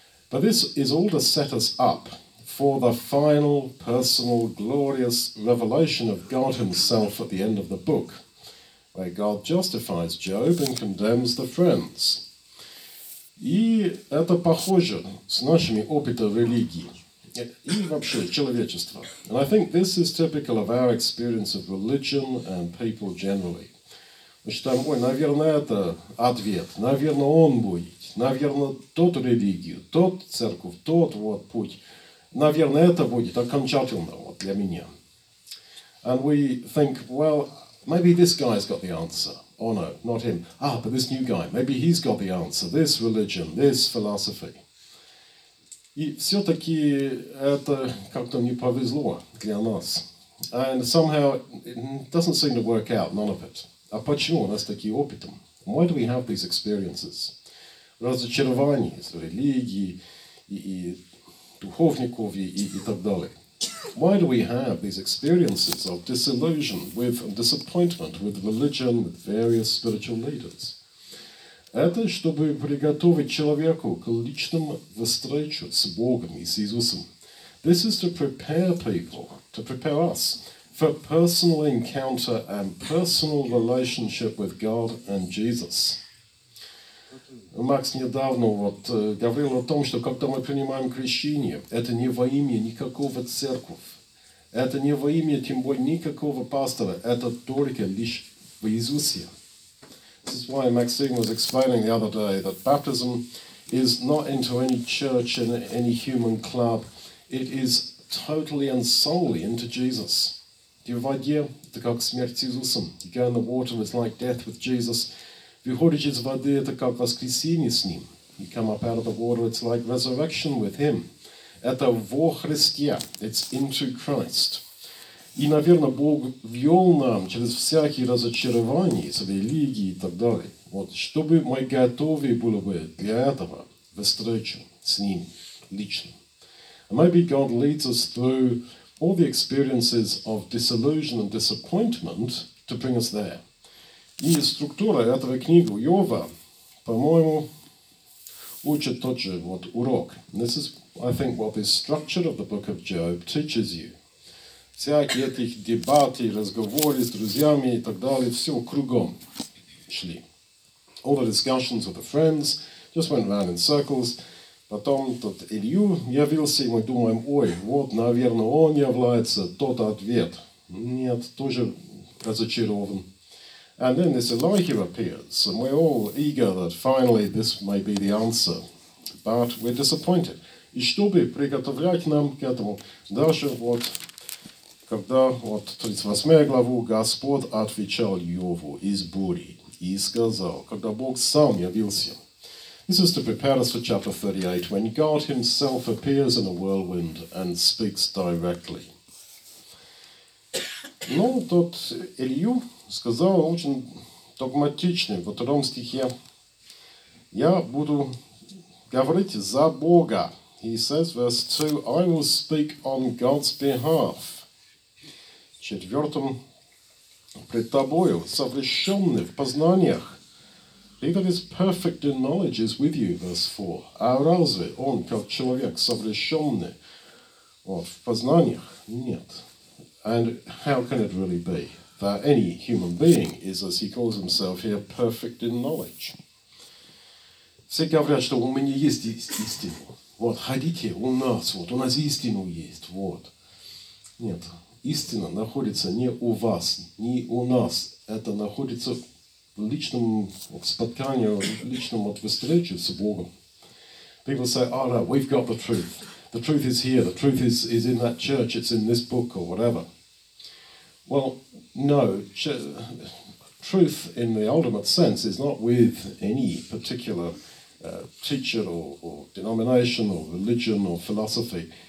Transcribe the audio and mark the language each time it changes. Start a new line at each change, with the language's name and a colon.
English: But this is all to set us up for the final, personal, glorious revelation of God himself at the end of the book, where God justifies Job and condemns the friends.
Russian: И это похоже с нашими опытами религии. И вообще человечество.
English: And I think this is typical of our experience of religion and people generally.
Russian: Мы считаем, ой, наверное, это ответ. Наверное, он будет. Наверное, тот религию, тот церковь, тот вот путь. Наверное, это будет окончательно вот для меня.
English: And we think, well, maybe this guy's got the answer. Oh no, not him. Ah, but this new guy, maybe he's got the answer. This religion, this philosophy.
Russian: И все-таки это как-то не повезло для нас.
English: And somehow it doesn't seem to work out, none of it.
Russian: А почему у нас такие опыты?
English: Why do we have these experiences?
Russian: Разочарование из религии и духовников и так далее.
English: Why do we have these experiences of disillusion with disappointment with religion, with various spiritual leaders?
Russian: Это чтобы приготовить человеку к личному встречу с Богом и с Иисусом.
English: This is to prepare people, to prepare us, for personal encounter and personal relationship with God and Jesus.
Russian: Макс недавно вот говорил о том, что когда мы принимаем крещение, это не во имя никакого церкви, это не во имя тем более никакого пастора, это только лишь в Иисусе.
English: This is why Maxine was explaining the other day that baptism is not into any church and any human club. It is totally and solely into Jesus.
Russian: Евангелие, это как смерть с Иисусом.
English: You go in the water, it's like death with Jesus.
Russian: Выходишь из воды, это как воскресение с Ним.
English: You come up out of the water, it's like resurrection with Him.
Russian: Это во Христе.
English: It's into Christ.
Russian: И, наверное, Бог вел нам через всякие разочарования из религии и так далее. Вот, чтобы мы готовы были бы для этого встречи с Ним лично.
English: And maybe God leads us through all the experiences of disillusion and disappointment to bring us there.
Russian: И структура этого книги Йова, по-моему, учит тот же вот урок.
English: This is, I think, what the structure of the book of Job teaches you.
Russian: Всякие эти дебаты, разговоры с друзьями и так далее, все кругом шли.
English: All the discussions with the friends just went round in circles.
Russian: Потом тот Илью явился, и мы думаем, ой, вот, наверное, он является, тот ответ. Нет, тоже разочарован.
English: And then this Elohim appears, and we're all eager that finally this may be the answer. But we're disappointed.
Russian: И чтобы приготовлять нам к этому, дальше вот, когда вот 38 главу Господь отвечал Йову из бури и сказал, когда Бог сам явился.
English: This is to prepare us for chapter 38, when God himself appears in a whirlwind and speaks directly.
Russian: Ну, тот Илью сказал очень догматичный в 2 стихе. Я буду говорить за Бога.
English: He says, verse 2, I will speak on God's behalf.
Russian: Четвертым, пред тобою, совершенный в познаниях.
English: He that is perfect in knowledge is with you, verse 4.
Russian: А разве он, как человек, совершенный вот, в познаниях? Нет.
English: And how can it really be that any human being is, as he calls himself here, perfect in knowledge?
Russian: Все говорят, что у меня есть истину. Вот, ходите, у нас истину есть, вот. Нет, истина находится не у вас, не у нас. Это находится в личном вот, споткании, в личном вот, встрече с Богом.
English: People say, oh no, we've got the truth. The truth is here, the truth is in that church, it's in this book or whatever. Well, no, truth in the ultimate sense is not with any particular teacher or denomination or religion or philosophy.